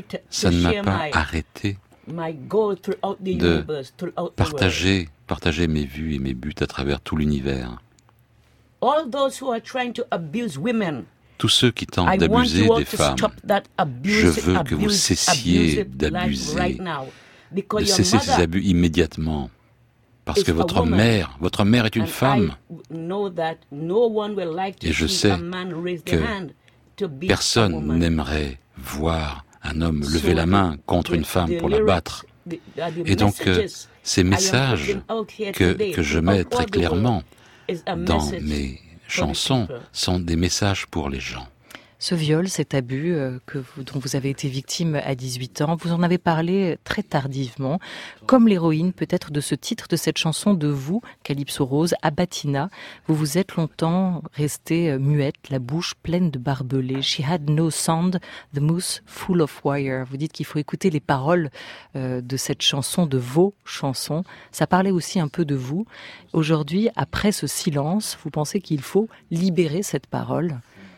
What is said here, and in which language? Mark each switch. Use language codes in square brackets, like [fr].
[fr] Ça ne m'a pas arrêté de partager mes vues et mes buts à travers tout l'univers. [en] All those who are trying to abuse women. [fr] Tous ceux qui tentent d'abuser des femmes. Je veux que vous cessiez d'abuser. De cesser ces abus immédiatement. Parce que votre mère est une femme. Et je sais que personne n'aimerait voir un homme lever la main contre une femme pour la battre. Et donc, ces messages que je mets très clairement dans mes chansons sont des messages pour les gens. Ce viol, cet abus dont vous avez été victime à 18 ans, vous en avez parlé très tardivement, comme l'héroïne peut-être de ce titre, de cette chanson de vous, Calypso Rose, Abatina. Vous vous êtes longtemps restée muette, la bouche pleine de barbelés. [en] She had no sound, the mouth full of wire. [fr] Vous dites qu'il faut écouter les paroles de cette chanson, de vos chansons. Ça parlait aussi un peu de vous. Aujourd'hui, après ce silence, vous pensez qu'il faut libérer cette parole ?